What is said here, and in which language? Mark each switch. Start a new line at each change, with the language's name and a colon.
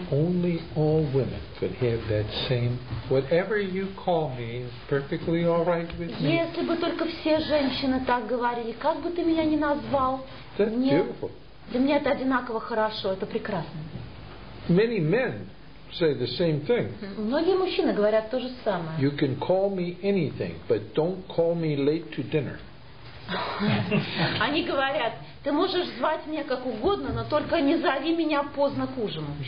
English: If only all women could have that same, whatever you call me, is perfectly all right with me.
Russian: Если бы только все женщины так говорили, как бы ты меня ни назвал, мне, для меня это одинаково хорошо, это прекрасно.
English: Many men say the same thing.
Russian: Многие мужчины говорят то же самое.
English: You can call me anything, but don't call me late to dinner.
Russian: Они говорят, ты можешь звать меня как угодно, но только не зови меня поздно к ужину.